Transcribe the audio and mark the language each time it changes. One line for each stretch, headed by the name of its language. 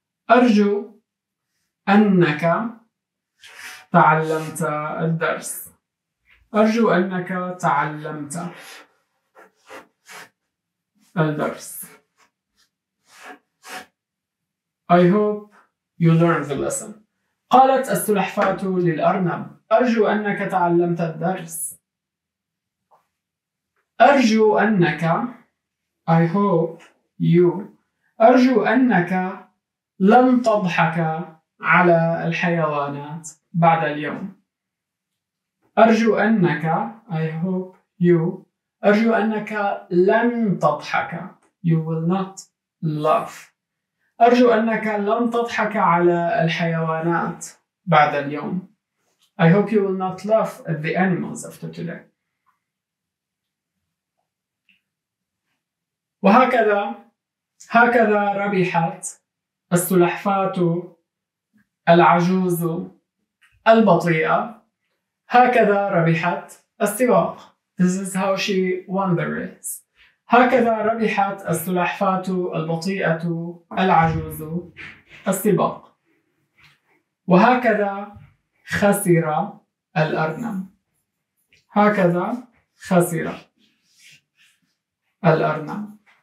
Arabic: أرجو أنك تعلمت الدرس. أرجو أنك تعلمت الدرس.
English: I hope you learned the lesson.
Arabic: قالت السلحفاة للأرنب: أرجو أنك تعلمت الدرس. أرجو أنك،
English: I hope you،
Arabic: أرجو أنك لن تضحك على الحيوانات بعد اليوم. أرجو أنك،
English: I hope you،
Arabic: أرجو أنك لن تضحك،
English: you will not laugh.
Arabic: أرجو أنك لن تضحك على الحيوانات بعد اليوم.
English: I hope you will not laugh at the animals after today.
Arabic: وهكذا، هكذا ربحت السلحفاة العجوز البطيئة. هكذا ربحت السباق.
English: This is how she won the race.
Arabic: هكذا ربحت السلحفاة البطيئة العجوز السباق. وهكذا خسر الأرنب. هكذا خسر الأرنب.